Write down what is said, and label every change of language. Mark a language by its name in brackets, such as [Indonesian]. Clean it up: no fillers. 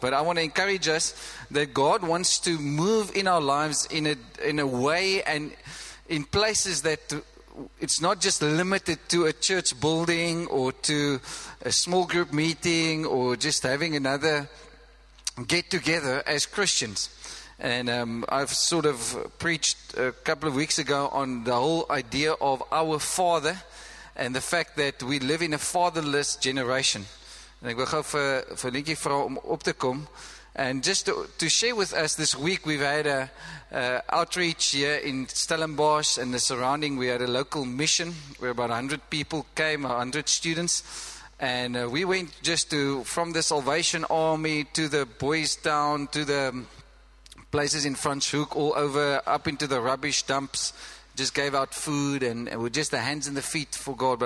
[English] But I want to encourage us that God wants to move in our lives in a way and in places that it's not just limited to a church building or to a small group meeting or just having another get-together as Christians. And I've sort of preached a couple of weeks ago on the whole idea of our Father and the fact that we live in a fatherless generation. [Afrikaans] And ek wil gou vir Lintjie vra om op te kom. [English] And just to share with us this week, we've had an outreach here in Stellenbosch and the surrounding. We had a local mission where about 100 people came, 100 students. And we went just from the Salvation Army to the Boys Town to the places in Franschhoek, all over, up into the rubbish dumps, just gave out food, and we're just the hands and the feet for God.